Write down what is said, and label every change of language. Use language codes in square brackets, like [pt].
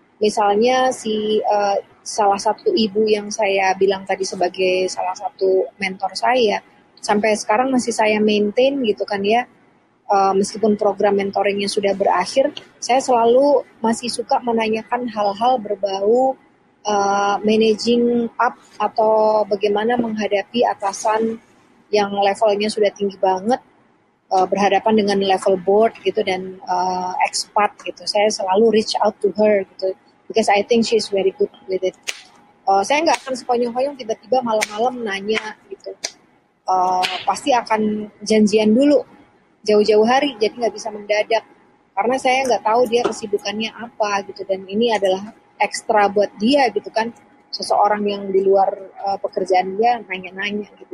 [id] Misalnya si salah satu ibu yang saya bilang tadi sebagai salah satu mentor saya, sampai sekarang masih saya maintain gitu kan ya, meskipun program mentoringnya sudah berakhir, saya selalu masih suka menanyakan hal-hal berbau managing up atau bagaimana menghadapi atasan yang levelnya sudah tinggi banget, berhadapan dengan level board gitu dan expat gitu. Saya selalu [en] reach out to her gitu, because I think she's very good with it. [id] Saya nggak akan sekonyong-konyong tiba-tiba malam-malam nanya gitu. Pasti akan janjian dulu, jauh-jauh hari, jadi nggak bisa mendadak. Karena saya nggak tahu dia kesibukannya apa gitu, dan ini adalah ekstra buat dia gitu kan. Seseorang yang di luar pekerjaan dia nanya-nanya gitu.